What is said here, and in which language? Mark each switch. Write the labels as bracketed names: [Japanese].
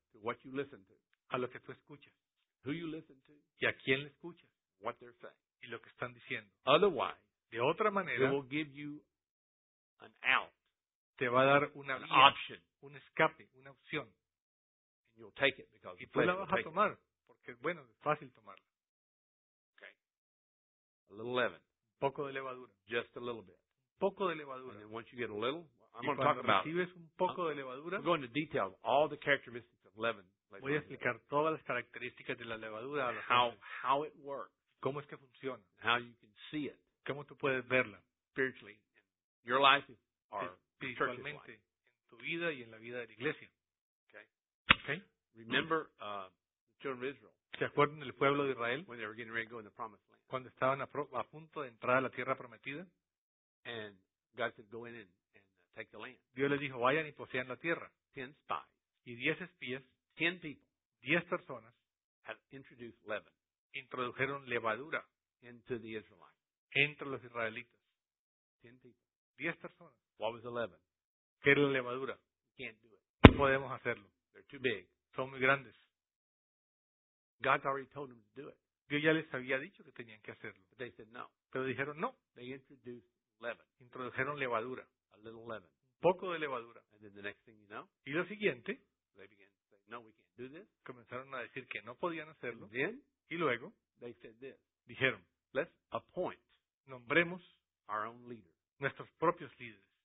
[English] to what you listen to, [Spanish] a lo que tú escuchas, [English] who you listen to, [Spanish] y a quién le escuchas, [English] what they're saying, [Spanish] y lo que están diciendo. [English] Otherwise, [Spanish] de otra manera, [English] it will give you an out, [Spanish] te va a dar una [English] an [Spanish] vía, [English] option, [Spanish] un escape, una opción. [English] And you'll take it because [Spanish] y tú la vas a tomar, porque bueno, es fácil tomarla. [English] Okay. A little leaven. [Spanish] Un poco de levadura. [English] Just a little bit. [Spanish] Un poco de levadura. [English] And once you get a little, I'm going to talk about. [Spanish] Recibes un poco de levadura. [English] I'm going to detail all the characteristics of leaven. [Spanish] Voy a explicar todas las características de la levadura. [English] How it works. [Spanish] Cómo es que funciona. [English] How you can see it. [Spanish] ¿Cómo tú puedes verla? [English] Spiritually, your life is [Spanish] espiritualmente, En tu vida y en la vida de la iglesia. [English] Okay. [Spanish] Okay. [English] Remember, the children of Israel. [Spanish] ¿Se acuerdan del pueblo de Israel? [English] When they were getting ready to go in the promised land. [Spanish] Cuando estaban a punto de entrar a la tierra prometida. [English] And God said, go in and take the land. [Spanish] Dios les dijo, vayan y posean la tierra. [English] 10 spies. [Spanish] Y 10 espías. [English] 10 people. [Spanish] 10 personas. [English] Had introduced leaven. [Spanish] Introdujeron levadura. [English] Into the Israelites. [Spanish] Entre los israelitas. 10 personas. [English] What was the leaven? [Spanish] ¿Qué era la levadura? [English] Can't do it. [Spanish] No podemos hacerlo. [English] They're too big. [Spanish] Son muy grandes. [English] God's already told them to do it. [Spanish] Dios ya les había dicho que tenían que hacerlo. [English] But they said no. [Spanish] Pero dijeron no. [English] They introduced leaven. [Spanish] Introdujeron levadura. [English] A little leaven. [Spanish] Un poco de levadura. [English] And then the next thing you know, [Spanish] y lo siguiente, [English] they began to say, no, we can't do this. [Spanish] Comenzaron a decir que no podían hacerlo. [English] And then, [Spanish] y luego, [English] they said this. [Spanish] Dijeron, [English] let's appoint. [Spanish] Nombremos [English] our own leader, [Spanish] nuestros propios líderes,